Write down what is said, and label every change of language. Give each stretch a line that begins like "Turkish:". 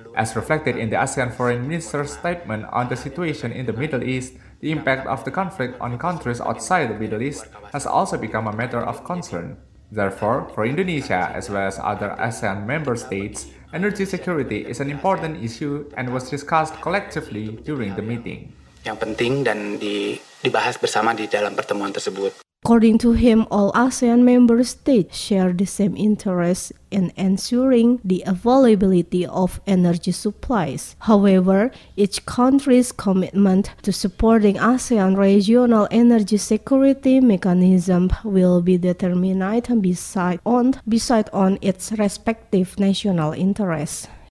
English: As reflected in the ASEAN Foreign Minister's statement on the situation in the Middle East, the impact of the conflict on countries outside the Middle East has also become a matter of concern. Therefore, for Indonesia as well as other ASEAN member states, energy security is an important issue and was discussed collectively during the meeting.
Indonesian: Yang penting dan dibahas bersama di dalam pertemuan tersebut.
English: According to him, all ASEAN member states share the same interest in ensuring the availability of energy supplies. However, each country's commitment to supporting ASEAN regional energy security mechanism will be determined beside on its respective national interests.